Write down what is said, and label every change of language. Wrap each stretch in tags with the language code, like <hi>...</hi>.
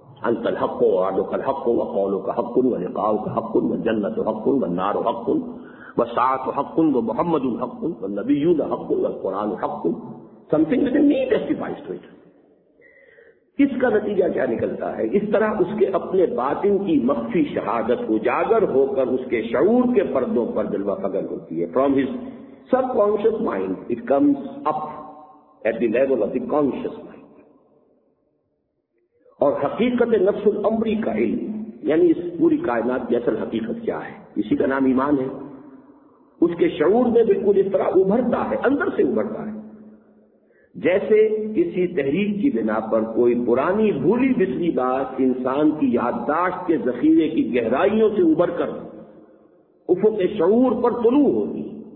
<ar>انت الحق و وعدك الحق وقولك حق ولقاؤك حق والجنة حق والنار حق والساعة حق ومحمد حق والنبيون حق والقرآن حق</ar> <en>something that he testifies to it.</en> <ur>اس کا نتیجہ کیا نکلتا ہے؟ اس طرح اس کے اپنے باطن کی مخفی شہادت اجاگر ہو کر اس کے شعور کے پردوں پر جلوہ فگر ہوتی ہے.</ur> <en>From his subconscious mind it comes up at the level of the conscious mind.</en> <ur>اور حقیقت نفس العمری کا علم یعنی اس پوری کائنات کی اصل حقیقت کیا ہے اسی کا نام ایمان ہے, اس کے شعور میں بالکل اس طرح ابھرتا ہے, اندر سے ابھرتا ہے جیسے کسی تحریک کی بنا پر کوئی پرانی بھولی بسری بات انسان کی یادداشت کے ذخیرے کی گہرائیوں سے ابھر کر افق شعور پر طلوع ہوگی.</ur>